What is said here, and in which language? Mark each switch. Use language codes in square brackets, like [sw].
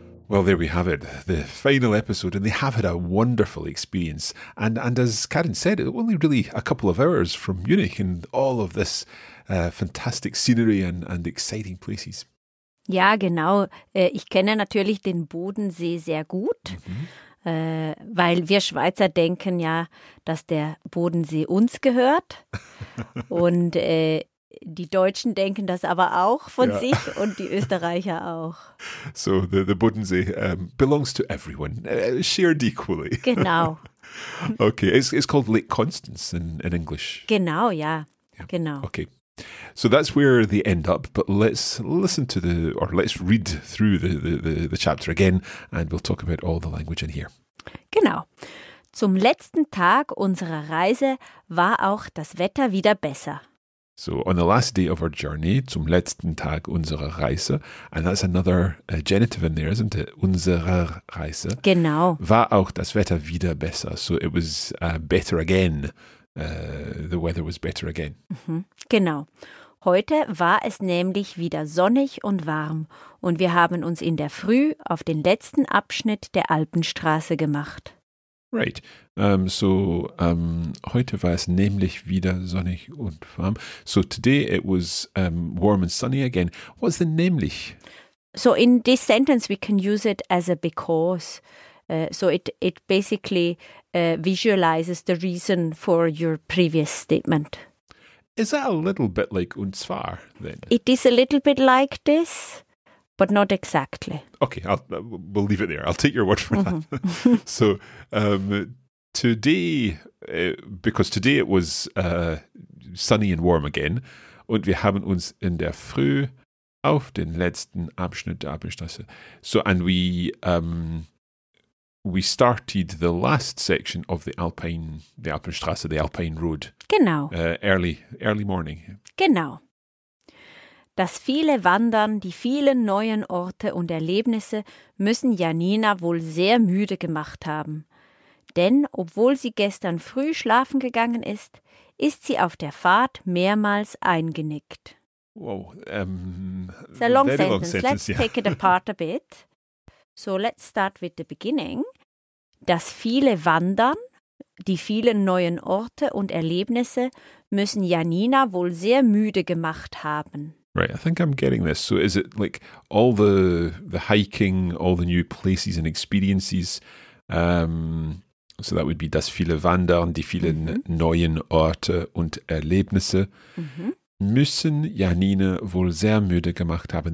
[en] Well, there we have it, the final episode, and they have had a wonderful experience. And as Karin said, it's only really a couple of hours from Munich and all of this fantastic scenery and exciting places. [de] Ja, genau. Ich kenne natürlich den Bodensee sehr gut, weil wir Schweizer denken ja, dass der Bodensee uns gehört. Und die Deutschen denken das aber auch von sich und die Österreicher auch. [en] So the Bodensee belongs to everyone, shared equally. [de] Genau. [en] Okay, it's called Lake Constance in English. [de] Genau, ja. Genau. [en] Okay, so that's where they end up. But let's listen to let's read through the chapter again and we'll talk about all the language in here. [de] Genau. Zum letzten Tag unserer Reise war auch das Wetter wieder besser. [en] So on the last day of our journey, [de] zum letzten Tag unserer Reise, [en] and that's another genitive in there, isn't it? [de] Unserer Reise. Genau. War auch das Wetter wieder besser. [en] So it was better again. The weather was better again. [de] Mm-hmm. Genau. Heute war es nämlich wieder sonnig und warm und wir haben uns in der Früh auf den letzten Abschnitt der Alpenstraße gemacht. [en] Right. [de] Heute war es nämlich wieder sonnig und warm. [en] So today it was warm and sunny again. What's the nämlich? So in this sentence we can use it as a because. So it basically visualizes the reason for your previous statement. Is that a little bit like [de] und zwar [en] then? It is a little bit like this, but not exactly. Okay, we'll leave it there. I'll take your word for that. So today, because today it was sunny and warm again, [de] und wir haben uns in der Früh auf den letzten Abschnitt der Alpenstraße. [en] So, and we started the last section of the Alpenstraße, the Alpine Road. [de] Genau. [en] Early morning. [de] Genau. Das viele Wandern, die vielen neuen Orte und Erlebnisse müssen Janina wohl sehr müde gemacht haben. Denn obwohl sie gestern früh schlafen gegangen ist sie auf der Fahrt mehrmals eingenickt. Wow. [en] It's a long sentence. Let's take it apart a bit. So let's start with the beginning. [de] Das viele Wandern, die vielen neuen Orte und Erlebnisse müssen Janina wohl sehr müde gemacht haben. [en] Right, I think I'm getting this. So is it like all the hiking, all the new places and experiences? So that would be [de] das viele Wandern, die vielen neuen Orte und Erlebnisse müssen Janina wohl sehr müde gemacht haben.